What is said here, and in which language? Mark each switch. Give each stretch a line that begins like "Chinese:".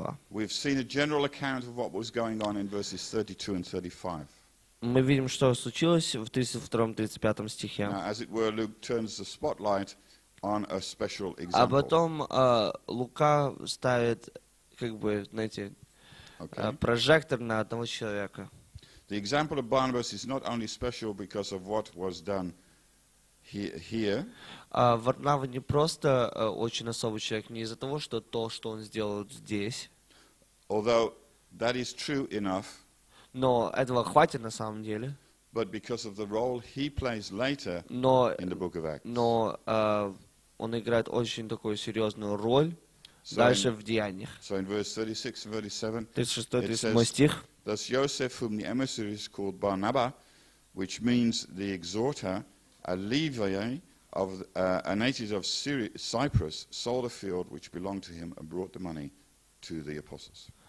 English: We've seen a general account of what was going on in verses 32 and 35.
Russian: Мы видим, что случилось в 32-35 стихе.
English: Now, as it were, Luke turns the spotlight on a special example.
Russian: А потом Лука ставит, как бы, знаете, прожектор на одного человека.
English: The example of Barnabas is not only special because of what was done here.
Russian: Варнава не просто очень особый человек, не из-за того, что то, что он сделал здесь.
English: Although that is true enough.
Russian: Но этого хватит на самом деле.
English: But because of the role he plays later in the book of Acts.
Russian: Но он играет очень такую серьезную роль дальше в Деяниях.
English: So in verse 36 and 37, it says, "Thus Joseph, whom the emissaries called Barnabas, which means the exhorter, a Levite of a native of Cyprus, sold a field which belonged to him and brought the money to the apostles."